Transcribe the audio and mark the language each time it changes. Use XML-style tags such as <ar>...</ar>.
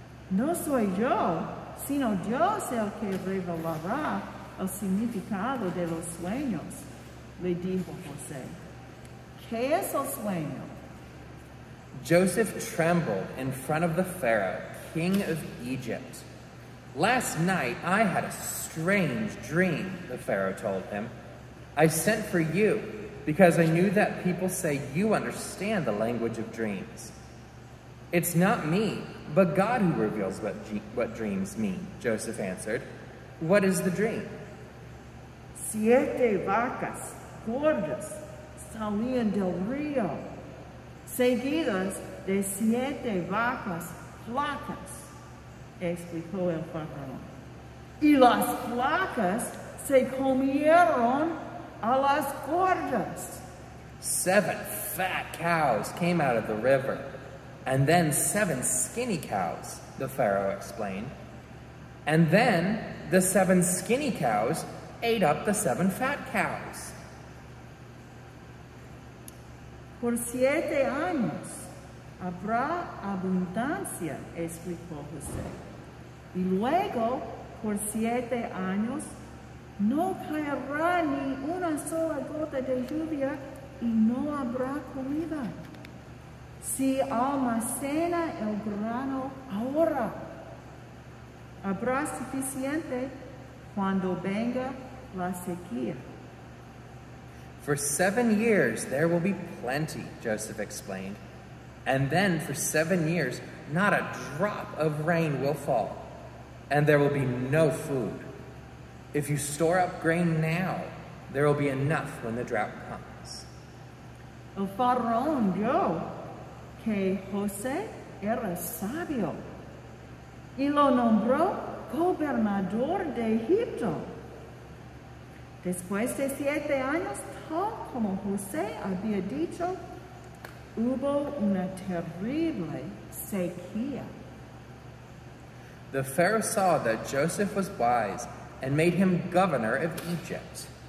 <es>No soy yo, sino Dios el que revelará el significado de los sueños, le dijo José. ¿Qué es el sueño?</es> <en>Joseph trembled in front of the Pharaoh, king of Egypt. Last night, I had a strange dream, the Pharaoh told him. I sent for you because I knew that people say you understand the language of dreams. It's not me, but God who reveals what dreams mean, Joseph answered. What is the dream?</en> <es>Siete vacas gordas salían del río, seguidas de siete vacas flacas, explicó el faraón. Y las flacas se comieron a las gordas.</es> <en>Seven fat cows came out of the river, and then seven skinny cows, the pharaoh explained. And then the seven skinny cows ate up the seven fat cows.</en> <es>Por siete años habrá abundancia, explicó José. Y luego, por siete años, no caerá ni una sola gota de lluvia y no habrá comida. Si almacena el grano ahora, habrá suficiente cuando venga la sequía.</es> <en>For 7 years, there will be plenty, Joseph explained. And then for 7 years, not a drop of rain will fall, and there will be no food. If you store up grain now, there will be enough when the drought comes.</en> <es>El faraón vio que José era sabio y lo nombró gobernador de Egipto. Después de 7 años, tal como José había dicho, hubo una terrible sequía.</es> <en>The Pharaoh saw that Joseph was wise and made him governor of Egypt.</en>